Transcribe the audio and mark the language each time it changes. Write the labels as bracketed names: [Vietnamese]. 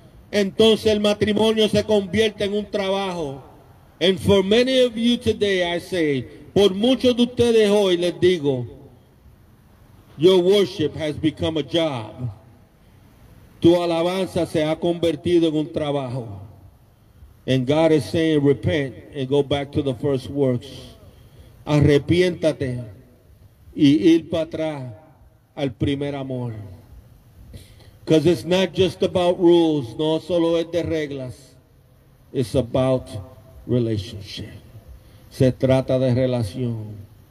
[Spanish] Entonces el matrimonio se convierte en un trabajo. [English] And for many of you today, I say, [Spanish] por muchos de ustedes hoy, les digo, [English] your worship has become a job. [Spanish] Tu alabanza se ha convertido en un trabajo. [English] And God is saying, repent and go back to the first works. [Spanish] Arrepiéntate y ir para atrás al primer amor. [English] Because it's not just about rules. [Spanish] No solo es de reglas. [English] It's about relationship. [Spanish] Se trata de relación.